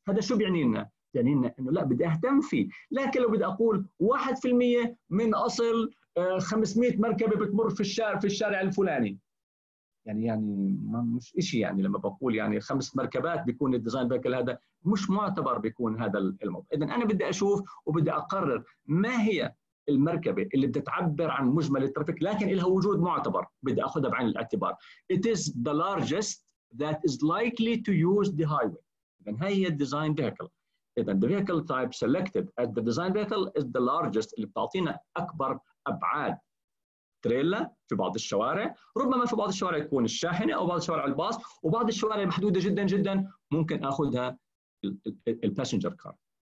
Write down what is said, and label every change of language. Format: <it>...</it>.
<ar>هذا شو بيعني لنا؟ يعني لنا انه لا بدي اهتم فيه. لكن لو بدي اقول 1% من اصل 500 مركبه بتمر في الشارع الفلاني، يعني ما مش شيء. يعني لما بقول يعني خمس مركبات بيكون الديزاين بيكل هذا مش معتبر، بيكون هذا الموضوع. اذا انا بدي اشوف وبدي اقرر ما هي المركبه اللي بدها تعبر عن مجمل الترافيك لكن لها وجود معتبر، بدي اخذها بعين الاعتبار.</ar> <en>It is the largest that is likely to use the highway.</en> <ar>إذن هي هي الديزاين فيهيكل إذن</ar> <en>the vehicle type selected as the design vehicle is the largest</en> <ar>اللي بتعطينا أكبر أبعاد تريلا في بعض الشوارع ربما في بعض الشوارع يكون الشاحنة أو بعض الشوارع الباص وبعض الشوارع محدودة جدا جدا ممكن أخذها الباسنجر كار</ar>